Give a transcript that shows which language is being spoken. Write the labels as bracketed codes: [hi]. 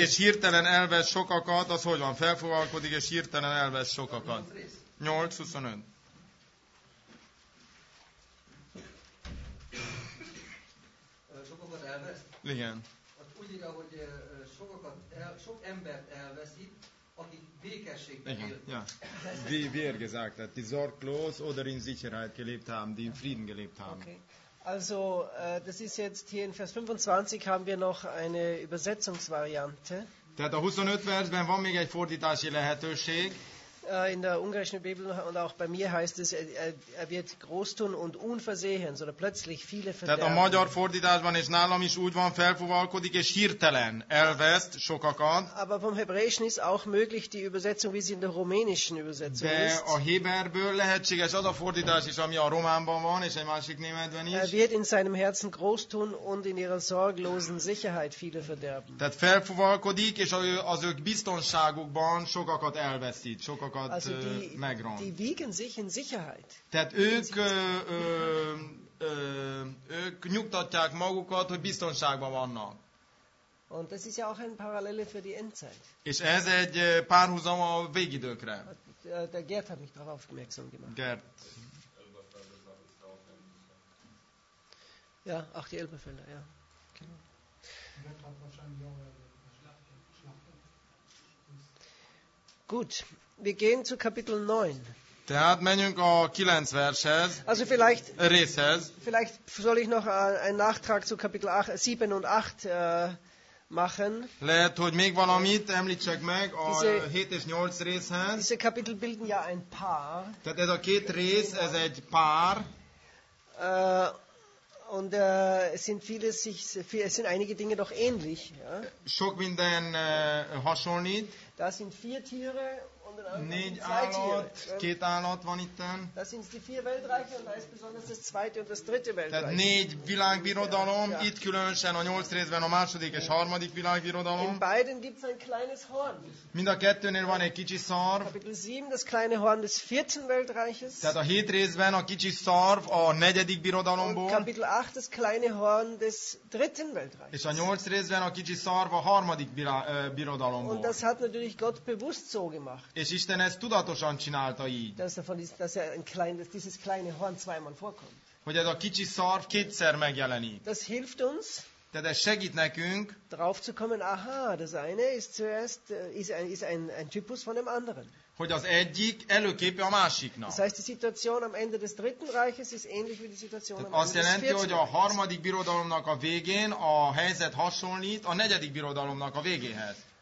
[hu] És hirtelen elvesz sokakat, az hogy van? Felfogalkodik, és hirtelen elvesz sokakat. 8-25. Sokakat elvesz? Igen. Úgy írja, hogy sok embert elveszít, akik békességben élnek. Igen, ja. [de] Wie gesagt, hat die sorglos oder in Sicherheit gelebt haben, die in Frieden gelebt haben. Okay. Also, das ist jetzt hier in Vers 25 haben wir noch eine Übersetzungsvariante. [hu] Tehát a 25 versben van még egy fordítási lehetőség. [de] In der ungarischen Bibel und auch bei mir heißt es, er wird groß tun und unversehen, sondern plötzlich viele verderben. [hu] Tehát a magyar fordításban és nálam is úgy van, felfuvalkodik és hirtelen elveszt sokakat. [de] Aber vom Hebräischen ist auch möglich die Übersetzung, wie sie in der rumänischen Übersetzung [hu] de [de] ist. [hu] De a héberből lehetséges az a fordítás is, ami a románban van, és egy másik németben is. [de] Er wird in seinem Herzen groß tun und in ihrer sorglosen Sicherheit viele verderben. [hu] Tehát felfuvalkodik és az ők biztonságukban sokakat elveszít. Sokakat, [de] also die wiegen sich in Sicherheit. [hu] Tehát ők nyugtatják magukat, hogy biztonságban vannak. [de] Und das ist ja auch ein Parallele für die Endzeit. [hu] És ez egy párhuzam a végidőkre. [de] Der Gerd hat mich darauf aufmerksam gemacht. Gerd. Ja, auch die Elberfelder, ja. Gut, wir gehen zu Kapitel 9. [hu] Tehát menjünk a 9 vershez. [de] Also vielleicht [hu] részhez. [de] Vielleicht soll ich noch einen Nachtrag zu Kapitel 8, 7 und 8 machen. [hu] Lehet, hogy még valamit említsek meg a 7 és 8 részhez. [de] Diese Kapitel bilden ja ein Paar. [hu] Tehát ez a két rész, ez egy pár. [de] Und es sind einige Dinge doch ähnlich, ja. [hu] Sok minden hasonlít. [de] Da sind vier Tiere und dann zwei Tiere. [hu] Két állat van itten. [de] Das sind die vier Weltreiche und da ist besonders das zweite und das dritte Weltreich. [hu] Tehát négy világbirodalom, itt különösen a nyolc részben a második és harmadik világbirodalom. [de] In beiden gibt's ein kleines Horn. [hu] Mind a kettőnél van egy kicsi szarv. [de] Kapitel 7, das kleine Horn des vierten Weltreiches. [hu] Tehát a hét részben a kicsi szarv a negyedik birodalomból. [de] Kapitel 8, das kleine Horn des dritten Weltreiches. [hu] És a nyolc részben a kicsi szarv a harmadik birodalomból. [de] Und das hat natürlich Gott bewusst so gemacht. [hu] És Isten ezt tudatosan csinálta így. [de] Dass dieses kleine Horn zweimal vorkommt. [hu] Hogy ez a kicsi szarv kétszer megjelenik. [de] Das hilft uns. [hu] Tehát ez segít nekünk. [de] Drauf zu kommen, aha, das eine ist zuerst, ist ein Typus von dem anderen. [hu] Hogy az egyik előképe a másiknak. [de] Das heißt, die Situation am Ende des dritten Reiches ist ähnlich wie die Situation am Ende des vierten. [hu] Azt jelenti, hogy a harmadik birodalomnak a végén a helyzet hasonlít a negyedik birodalomnak a végéhez.